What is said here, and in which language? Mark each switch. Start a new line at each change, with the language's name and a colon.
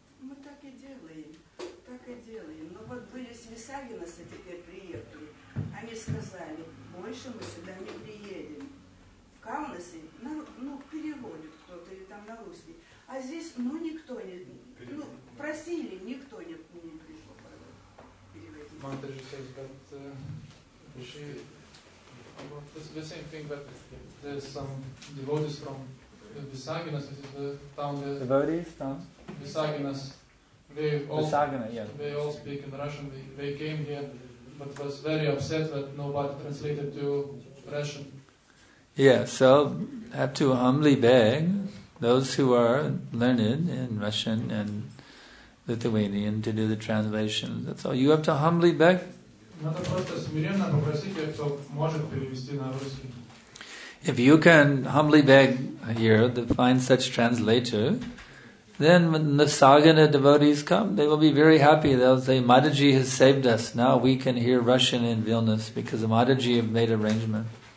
Russian: Мы так и делаем, так и делаем. Но вот были с Висагинаса теперь приехали. Они сказали, больше мы сюда не приедем. В Каунасе, ну, переводит кто-то и там на русский. А здесь, ну, никто не... Ну, просили, никто не пришел переводить. Матер же сказал,
English: but it's the same thing, but there's some devotees from Visaginas, is the town where devotees, town? Visaginas. They all speak in Russian. They came here but was very upset that nobody translated to Russian. Yeah, so have to humbly beg those who are learned in Russian and Lithuanian to do the translation. That's all. You have to humbly beg.
Russian: Надо просто смиренно попросить, кто может перевести на русский.
English: If you can humbly beg here to find such translator, then when the Sagana devotees come, they will be very happy. They'll say, Madhaji has saved us. Now we can hear Russian in Vilnius because Madhaji have made arrangement.